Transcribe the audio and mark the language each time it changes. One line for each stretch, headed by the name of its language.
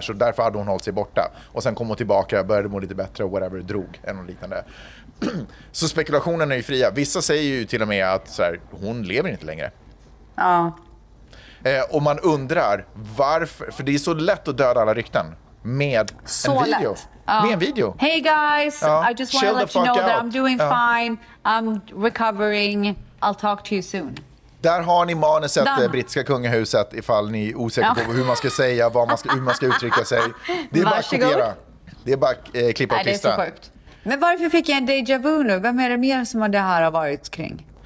Swedish: Så därför hade hon hållit sig borta. Och sen kom hon tillbaka, började må lite bättre och whatever, drog eller liknande. Så spekulationen är ju fria. Vissa säger ju till och med att så här, hon lever inte längre. Ja. Och man undrar varför, för det är så lätt att döda alla rykten med så en video. Lätt. Med en video.
English: Hey guys, I just want to let you know out. That I'm doing fine. I'm recovering. I'll talk to you soon.
Swedish: Där har ni manuset, det brittiska kungahuset, ifall ni är osäkra på hur man ska säga, hur man ska uttrycka sig. Det är bara att kopiera. Det är bara klippa och klistra. Nej, det är så sjukt. Men varför fick jag en déjà vu nu? Vem är det mer som det här har varit kring?